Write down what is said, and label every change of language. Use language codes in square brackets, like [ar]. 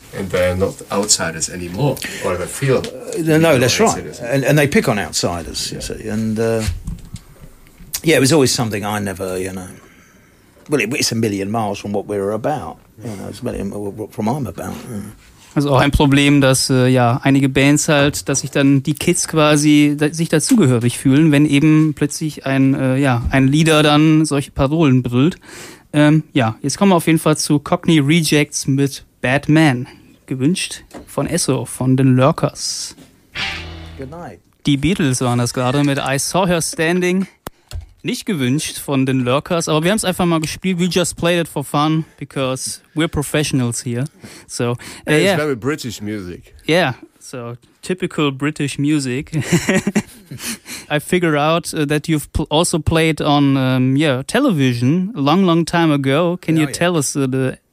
[en] And they're not outsiders anymore, or they feel... No, that's right. And they pick on outsiders, you see. And, it was always something I never, you know... Well, it's a million miles from what we're about. You know, it's a million miles from what I'm about. Yeah. [de] Also auch ein Problem, dass einige Bands halt, dass sich dann die Kids quasi sich dazugehörig fühlen, wenn eben plötzlich ein Leader dann solche Parolen brüllt. Jetzt kommen wir auf jeden Fall zu Cockney Rejects mit Bad Man, gewünscht von Esso, von den Lurkers. [en] Good night. [de] Die Beatles waren das gerade mit I Saw Her Standing. Nicht gewünscht von den Lurkers, aber wir haben es einfach mal gespielt. [en] We just played it for fun, because we're professionals here. So, it's very British music. Yeah, so typical British music. I figure out that you've also played on television a long, long time ago. Can you tell us the